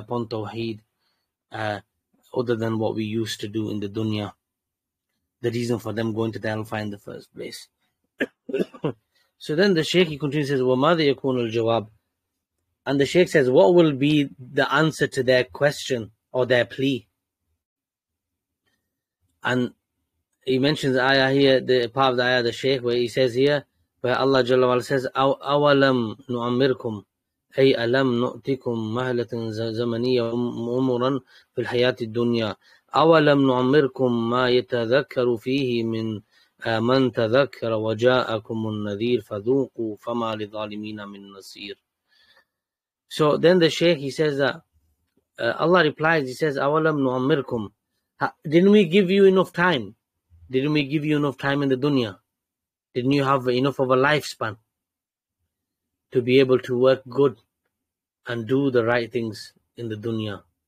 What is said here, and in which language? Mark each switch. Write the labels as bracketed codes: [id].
[en] upon Tawheed, other than what we used to do in the dunya. The reason for them going to the hellfire in the first place. So then the Shaykh, he continues, says, [ar] وَمَاذَ يَكُونُ الْجَوَابِ. [en] And the Shaykh says, what will be the answer to their question or their plea? And he mentions the ayah here, the part of the ayah, the Shaykh, where he says here, where Allah Jalla wa'ala says, [ar] أَوَلَمْ نُعَمِّرْكُمْ أَيْ أَلَمْ نُؤْتِكُمْ مَهْلَةً زَمَنِيَّ أُمُرًا فِي الْحَيَاةِ الدُّنْيَا أَوَلَمْ نُعَمِّرْكُمْ مَا يَتَذَكَّرُ فِيهِ مِنْ مَنْ تَذَكَّرَ وَجَاءَكُمُ النَّذِيرُ فَذُوقُوا فَمَا لِظَالِمِينَ مِنْ نَصِيرٍ. [en] So then the Shaykh, he says that, Allah replies, he says, [ar] أَوَلَمْ نُعَمِّرْكُمْ, [en] didn't we give you enough time? Didn't we give you enough time in the dunya? Didn't you have enough of a lifespan to be able to work good and do the right things in the dunya?